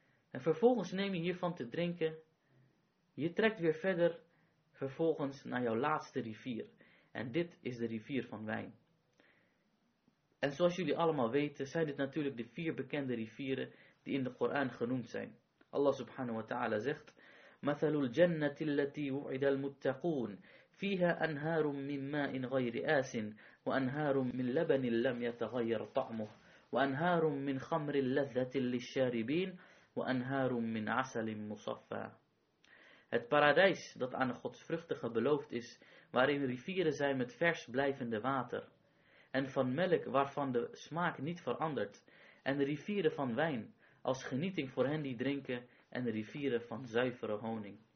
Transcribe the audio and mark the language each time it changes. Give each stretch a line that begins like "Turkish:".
Dutch: En vervolgens neem je hiervan te drinken. Je trekt weer verder vervolgens naar jouw laatste rivier. En dit is de rivier van wijn. En zoals jullie allemaal weten, zijn dit natuurlijk de vier bekende rivieren die in de Koran genoemd zijn.
Arabic: Allah subhanahu wa ta'ala zegt, مَثَلُ الْجَنَّةِ الَّتِي وُعِدَ الْمُتَّقُونَ فِيهَا أَنْهَارٌ مِّن مَّاءٍ غَيْرِ آسٍ وَأَنْهَارٌ مِّن لَّبَنٍ لَّمْ يَتَغَيَّرْ طَعْمُهُ وَأَنْهَارٌ مِّن خَمْرٍ لَّذَّةٍ لِّلشَّارِبِينَ وَأَنْهَارٌ مِّن عَسَلٍ مُّصَفًّى.
Dutch: Het paradijs dat aan de godsvruchtige beloofd is, waarin rivieren zijn met vers blijvende water, en van melk waarvan de smaak niet verandert, en de rivieren van wijn, als genieting voor hen die drinken, en de rivieren van zuivere honing.